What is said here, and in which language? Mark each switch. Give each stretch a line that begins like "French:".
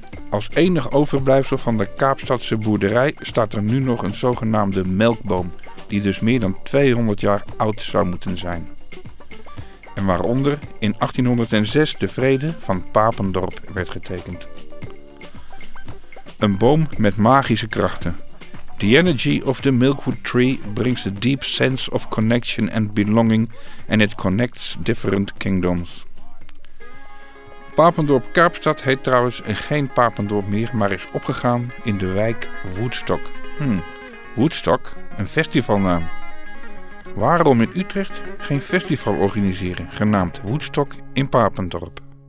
Dutch: Als enig overblijfsel van de Kaapstadse boerderij staat er nu nog een zogenaamde melkboom, die dus meer dan 200 jaar oud zou moeten zijn. En waaronder in 1806 de vrede van Papendorp werd getekend. Een boom met magische krachten.
English: The energy of the Milkwood tree brings a deep sense of connection and belonging and it connects different kingdoms.
Dutch: Papendorp Kaapstad heet trouwens geen Papendorp meer, maar is opgegaan in de wijk Woodstock. Woodstock, een festivalnaam. Waarom in Utrecht geen festival organiseren, genaamd Woodstock in Papendorp?